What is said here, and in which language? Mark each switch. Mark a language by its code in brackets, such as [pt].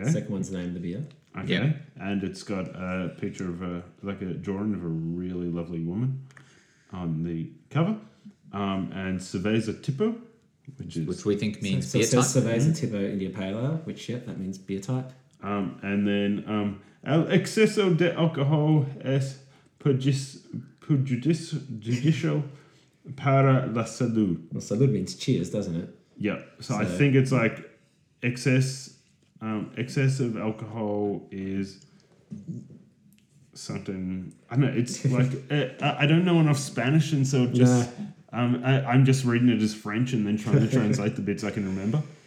[en] The second one's named the beer. Okay. Yeah. And it's got a picture of a drawing of a really lovely woman on the cover. And Cerveza Tipo, which we think means so beer type. Says Cerveza Tipo India Pale Ale, which, yep, that means beer type. And then... [es] El exceso de alcohol es perjudicial para la salud. [en] Well, salud means cheers, doesn't it? Yeah. So I think it's like excessive alcohol is something. I don't know. It's like, I don't know enough Spanish. And so just, I'm just reading it as French and then trying to translate the bits I can remember.